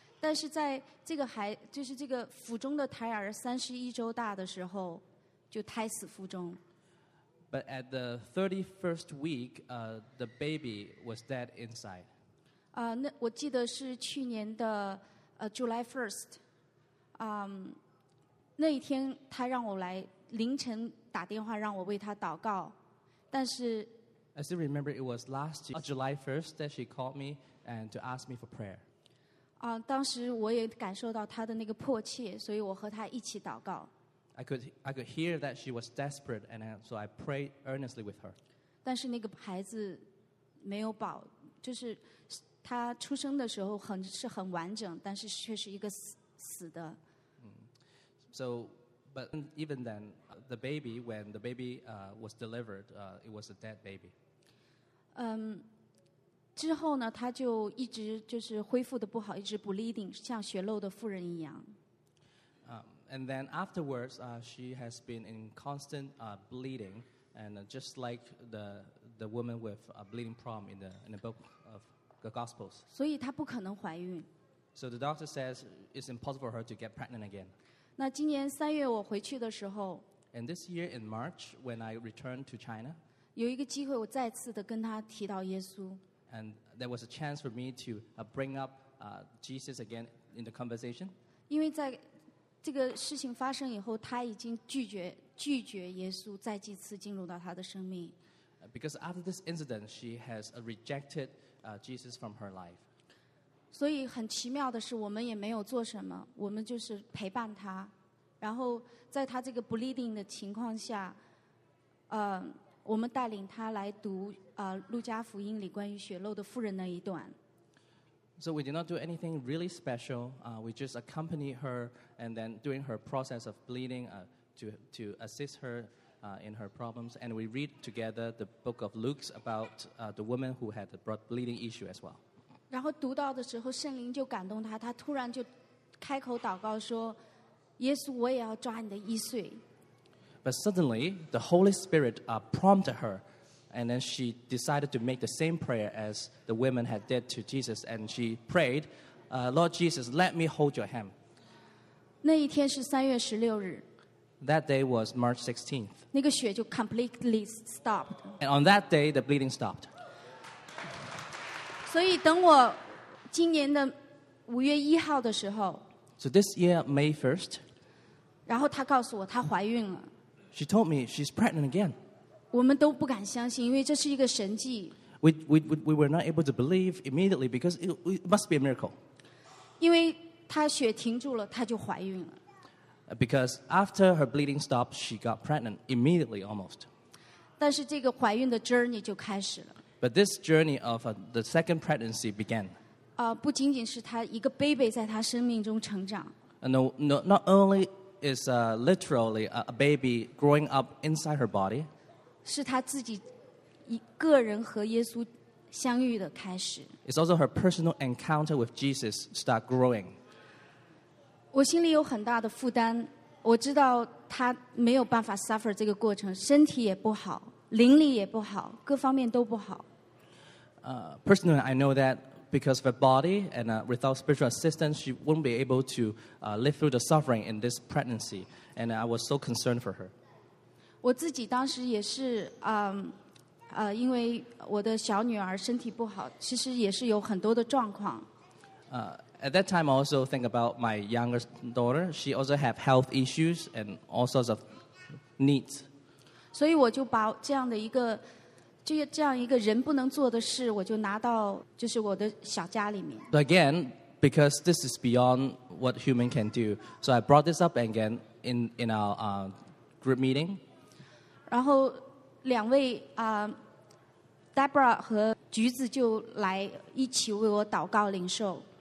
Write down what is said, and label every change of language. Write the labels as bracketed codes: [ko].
[zh] 但是在这个孩，就是这个腹中的胎儿31周大的时候，就胎死腹中。 [en] But at the 31st week, the baby was dead inside. [zh] 那我记得是去年的 [en] July 1st， [zh] 那一天他让我来凌晨打电话让我为他祷告，但是。 [en] I still remember it was last year, July 1st that she called me and to ask me for prayer. [zh] 当时我也感受到他的那个迫切，所以我和他一起祷告。 [en] I could hear that she was desperate, and so I prayed earnestly with her. [zh] 但是那个孩子没有保，就是他出生的时候是很完整，但是却是一个死的。 [en] So, but even then, the baby, when the baby was delivered, it was a dead baby. [zh] 之后呢，他就一直就是恢复的不好，一直bleeding，像血漏的妇人一样。 [en] And then afterwards, she has been in constant bleeding, and just like the woman with a bleeding problem in the book of the Gospels. [zh] 所以她不可能怀孕。 [en] So the doctor says it's impossible for her to get pregnant again. [zh] 那今年三月我回去的时候。 [en] And this year in March, when I returned to China. [zh] 有一个机会，我再次的跟她提到耶稣。 [en] And there was a chance for me to bring up Jesus again in the conversation. [zh] 因为在这个事情发生以后，他已经拒绝耶稣再几次进入到他的生命。 [en] Because after this incident, she has rejected Jesus from her life. [zh] 所以很奇妙的是，我们也没有做什么，我们就是陪伴他。然后在他这个bleeding的情况下，我们带领他来读路加福音里关于血漏的妇人那一段。 [en] So we did not do anything really special. We just accompanied her and then during her process of bleeding to assist her in her problems. And we read together the book of Luke about the woman who had brought bleeding issue as well. [zh] 然后读到的时候圣灵就感动她，她突然就开口祷告说，耶稣，我也要抓你的衣穗。 [en] But suddenly, the Holy Spirit prompted her. And then she decided to make the same prayer as the women had did to Jesus. And she prayed, Lord Jesus, let me hold your hand. [zh] 那一天是三月十六日。 [en] That day was March 16th. [zh] 那个血就 [en] completely stopped. And on that day, the bleeding stopped. [zh] 所以等我今年的五月一号的时候。 [en] So this year, May 1st. [zh] 然后她告诉我她怀孕了。 [en] She told me she's pregnant again. [zh] 我们都不敢相信，因为这是一个神迹。 [en] We were not able to believe immediately because it must be a miracle. [zh] 因为她血停住了，她就怀孕了。 [en] Because after her bleeding stopped, she got pregnant immediately, almost. [zh] 但是这个怀孕的 journey 就开始了。 [en] But this journey of the second pregnancy began. [zh] 不仅仅是她一个 baby 在她生命中成长。 [en] No, not only is literally a baby growing up inside her body. [zh] 是她自己一个人和耶稣相遇的开始。 [en] It's also her personal encounter with Jesus start growing. [zh] 我心里有很大的负担，我知道她没有办法 suffer 这个过程，身体也不好，灵力也不好，各方面都不好。 [en] Personally, I know that because of her body and without spiritual assistance, she won't be able to live through the suffering in this pregnancy. And I was so concerned for her. [zh] 我自己当时也是因为我的小女儿身体不好，其实也是有很多的状况。 [en] At that time, I also think about my youngest daughter. She also have health issues and all sorts of needs. [zh] 所以我就把这样一个人不能做的事，我就拿到就是我的小家里面。 [en] But again, because this is beyond what human can do, so I brought this up again in our group meeting. [zh] 然后两位Deborah 和橘子就来一起为我祷告领受。